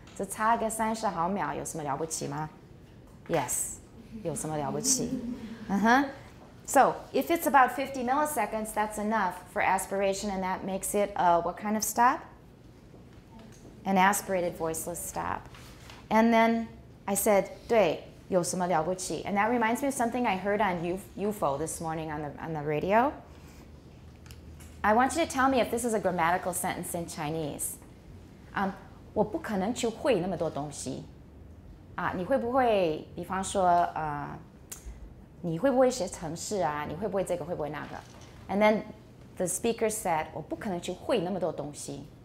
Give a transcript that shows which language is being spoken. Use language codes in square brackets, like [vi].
[zh] 这差个30毫秒有什么了不起吗? Yes. 有什么了不起? [en] So, if it's about 50 milliseconds, that's enough for aspiration, and that makes it a what kind of stop? An aspirated voiceless stop. And then I said, [zh] 对,有什么了不起? [en] And that reminds me of something I heard on UFO this morning on the radio. I want you to tell me if this is a grammatical sentence in Chinese. [zh] 我不可能去会那么多东西.你会不会,比方说, 你会不会学程式啊? 你会不会这个会不会那个? [en] And then the speaker said, [zh] 我不可能去会那么多东西.